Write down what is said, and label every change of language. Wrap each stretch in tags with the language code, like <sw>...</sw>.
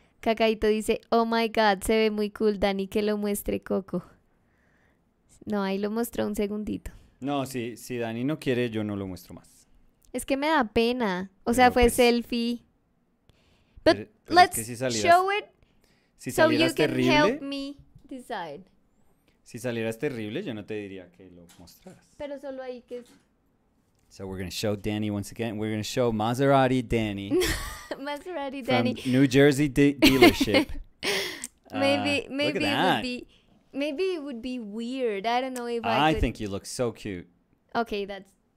<es>Cacaito dice,</es> <en>oh my God,</en> <es>se ve muy cool, Dani, que lo muestre Coco. No, ahí lo mostró un segundito. No, si, si Dani no quiere, yo no lo muestro más. Es que me da pena. O sea, fue selfie.</es> <en>But let's show it so you can help me decide.</en> <es>Si salieras terrible, yo no te diría que lo mostraras. Pero solo ahí que...</es> <en>So we're going to show Danny once again. We're going to show Maserati Danny. Maserati Danny. From New Jersey dealership. Maybe it would be weird. I don't know if I could. I think you look so cute. Okay, that's.</en>